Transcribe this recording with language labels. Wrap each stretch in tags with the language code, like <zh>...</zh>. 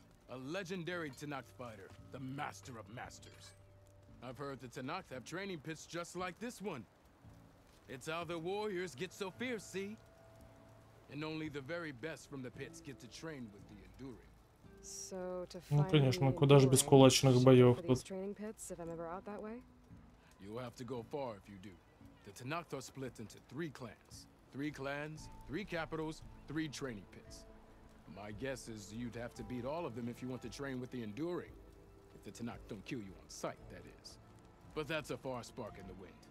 <en>A legendary Tanakh fighter, the master of masters. I've heard the Tanakh have training pits just like this one. It's how the warriors get so fierce, see? And only the very best from the pits get to train with the enduring. So to find</en> <ru>ну, конечно, куда же без кулачных боев тут?</ru> <en>Pits, you have to go far if you do. The Tanakh are split into three clans. Three clans, three capitals, three training pits. My guess is you'd have to beat all of them if you want to train with the Enduring. If the Tanakh don't kill you on sight, that is. But that's a far spark in the wind.</en>